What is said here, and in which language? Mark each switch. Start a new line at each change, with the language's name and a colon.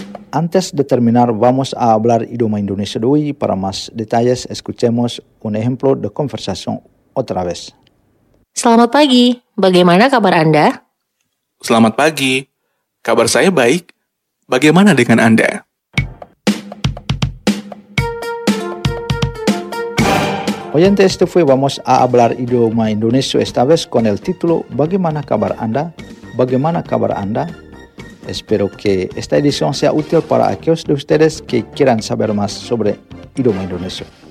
Spanish: Antes de terminar, vamos a hablar idioma indonesio de hoy. Para más detalles, escuchemos un ejemplo de conversación otra vez.
Indonesian: Selamat pagi, bagaimana kabar Anda? Selamat pagi, kabar saya baik, bagaimana dengan Anda?
Spanish: Oyente, este fue Vamos a hablar idioma indonesio esta vez con el título
Indonesian: Bagaimana kabar Anda? Bagaimana kabar Anda?
Spanish: Espero que esta edición sea útil para aquellos de ustedes que quieran saber más sobre idioma indonesio.